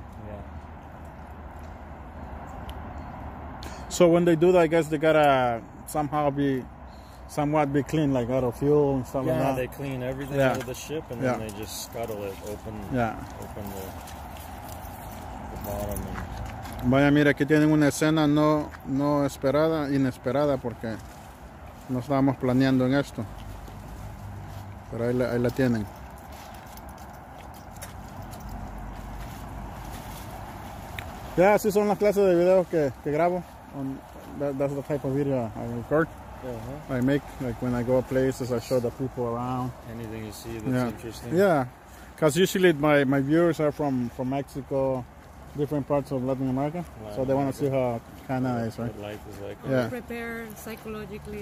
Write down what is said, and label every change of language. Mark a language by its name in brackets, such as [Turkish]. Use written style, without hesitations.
[English] Yeah. So when they do that, I guess they gotta somehow be clean, like out of fuel and stuff like that. Yeah, they clean everything out of the ship and then they just scuttle it, open the bottom. And [Spanish] vaya, mira, aquí tienen una escena no esperada, inesperada, porque no estábamos planeando en esto. Pero ahí la tienen. Ya, yeah, así son las clases de videos que grabo. [English] That's the type of video I record. Uh-huh. I make, like, when I go places, I show the people around. Anything you see that's interesting. Yeah, because usually my viewers are from Mexico, different parts of Latin America. So they want to see how Canada is, right? What life is like. Yeah. Prepare psychologically.